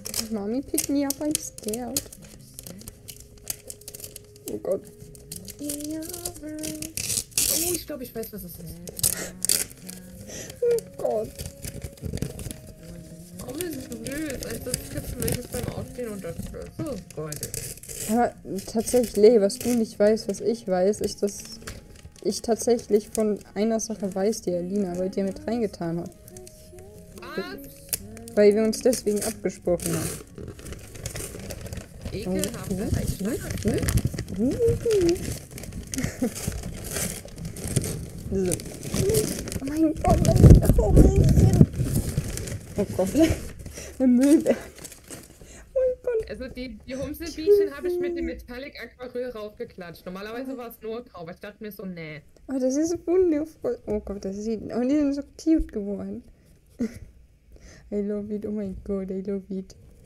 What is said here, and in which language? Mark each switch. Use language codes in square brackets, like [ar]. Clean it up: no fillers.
[en] Mommy picked me up, I'm scared. [de] Oh Gott. Ja. Oh, ich glaube, ich weiß, was das ist. Oh Gott. Komm, das ist blöd. Als das Kissen, welches beim Aufstehen unterstützt. Oh Gott. Aber tatsächlich, was du nicht weißt, was ich weiß, ist das... Ich tatsächlich von einer Sache weiß, die Alina bei dir mit reingetan hat. Was? Weil wir uns deswegen abgesprochen haben. Ekelhaft. Oh mein Gott, mein Kommelchen. Oh Gott, der Müllberg. Also die Humselbienchen habe ich mit dem Metallic Aquarell raufgeklatscht. Normalerweise war es nur grau, aber ich dachte mir so, nee. Oh, das ist wundervoll. Oh Gott, das sieht... Oh, die sind so cute geworden. [en] I love it, [de] oh mein Gott, [en] I love it.